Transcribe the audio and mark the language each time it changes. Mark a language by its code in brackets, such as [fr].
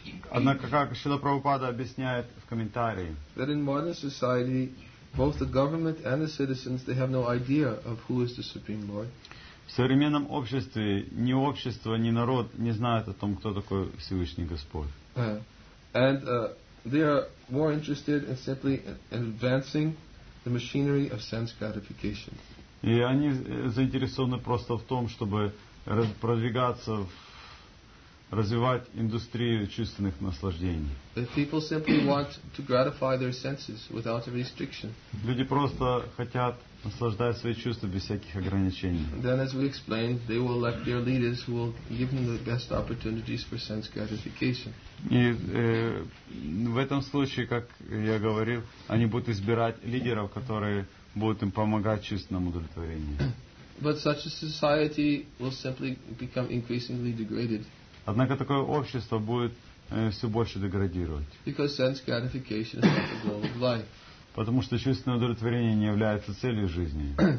[ru] Однако, как Шрила Прабхупада объясняет в комментарии, [en] that in modern society, both the government and the citizens, they have no idea of who is the supreme lord. [ru] В современном обществе ни общество, ни народ не знают о том, кто такой Всевышний Господь. [en] And they are more interested in simply advancing the machinery of sense gratification. [ru] И они заинтересованы просто в том, чтобы продвигаться, развивать индустрию чувственных наслаждений. [en] If people simply want to gratify their senses without a restriction. [ru] Люди просто хотят наслаждать свои чувства без всяких ограничений. [en] Then, as we explained, they will elect their leaders who will give them the best opportunities for sense gratification. [ru] И в этом случае, как я говорил, они будут избирать лидеров, которые будут им помогать чувственному удовлетворению. [en] But such a society will simply become increasingly degraded. [ru] Однако такое общество будет все больше деградировать. [en] Because sense gratification is not the goal of life. [ru] Потому что чувственное удовлетворение не является целью жизни.